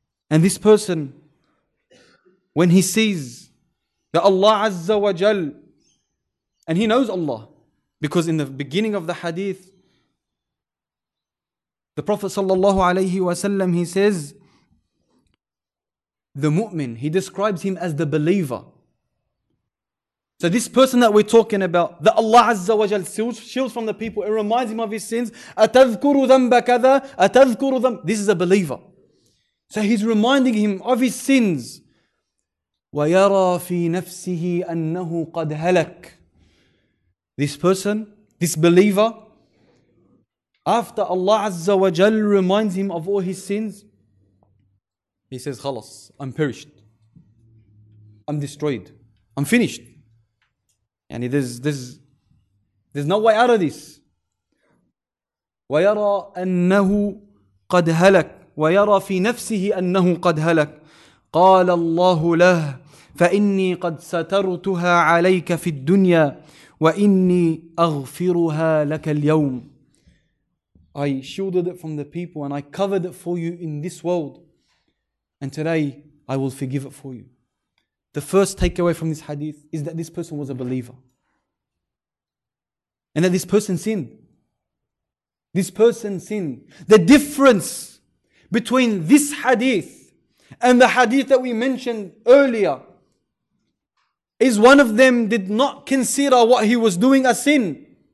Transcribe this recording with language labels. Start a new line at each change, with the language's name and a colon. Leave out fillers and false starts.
English: And this person, when he sees that Allah Azza wa Jal, and he knows Allah, because in the beginning of the hadith, the Prophet sallallahu alayhi wa sallam, he says, the mu'min, he describes him as the believer. So this person that we're talking about, that Allah Azza wa Jal shields from the people, it reminds him of his sins.
Arabic: أَتَذْكُرُ ذَنْبَ كَذَا أَتَذْكُرُ ذَنْبَ
English: This is a believer. So he's reminding him of his sins.
Arabic: وَيَرَى فِي نَفْسِهِ أَنَّهُ قَدْ هَلَكَ
English: This person, this believer, after Allah Azza wa Jal reminds him of all his sins, he says, Khalas, I'm perished. I'm destroyed. I'm finished. And there's no way out of this.
Arabic: وَيَرَى أَنَّهُ قَدْ هَلَكْ وَيَرَى فِي نَفْسِهِ أَنَّهُ قَدْ هَلَكْ قَالَ اللَّهُ لَهُ فَإِنِّي قَدْ سَتَرْتُهَا عَلَيْكَ فِي الدُّنْيَا وَإِنِّي أَغْفِرُهَا لَكَ الْيَوْمِ
English: I shielded it from the people and I covered it for you in this world. And today I will forgive it for you. The first takeaway from this hadith is that this person was a believer. And that this person sinned. This person sinned. The difference between this hadith and the hadith that we mentioned earlier is one of them did not consider what he was doing a sin.